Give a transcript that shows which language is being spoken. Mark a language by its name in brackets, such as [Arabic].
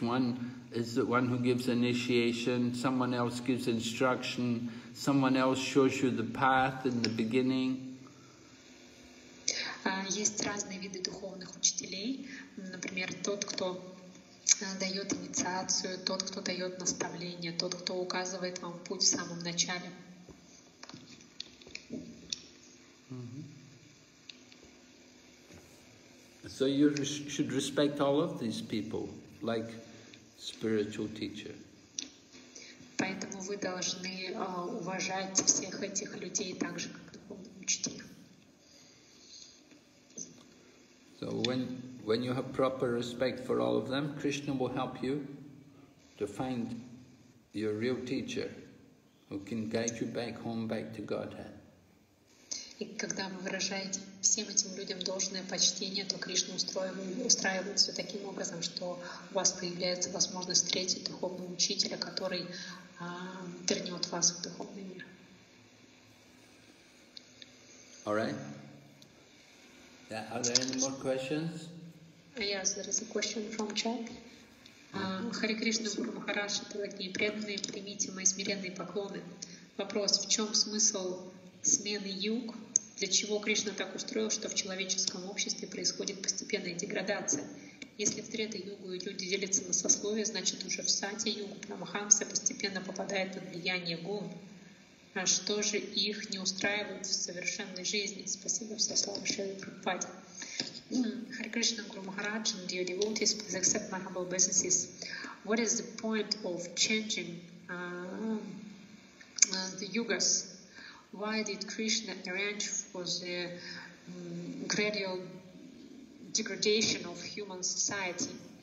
[English] One is the one who gives initiation, someone else gives instruction, someone else shows you the path in the beginning. [Russian] Есть разные виды духовных учителей. Например, тот, кто дает инициацию, тот, кто дает наставление, тот, кто указывает вам путь в самом начале. [English] So you should respect all of these people like spiritual teacher. [Russian] Поэтому вы должны уважать всех этих людей так же, как духовного учителя. [English] So when you have proper respect for all of them, Krishna will help you to find your real teacher who can guide you back home, back to Godhead. [Russian] И когда вы выражаете всем этим людям должное почтение, то Кришна устраивает все таким образом, что у вас появляется возможность встретить духовного учителя, который вернет вас в духовный мир. [English] All right. Yeah, are there any more questions? Yes, there is a question from chat. [Russian] Харе Кришна, Гуру Махарадж, дорогие преданные, примите мои смиренные поклоны. Вопрос: в чем смысл смены юг? Для чего Кришна так устроил, что в человеческом обществе происходит постепенная деградация? Если в Трета-югу люди делятся на сословия, значит уже в Сати-югу Прамахамса постепенно попадает под влияние гун. А что же их не устраивает в совершенной жизни? Спасибо, все слава Шри Прабхупаде. [English] Харе Кришна, Гуру Махарадж, and dear devotees, please accept my humble businesses. What is the point of changing the yugas? Why did Krishna arrange for the gradual degradation of human society?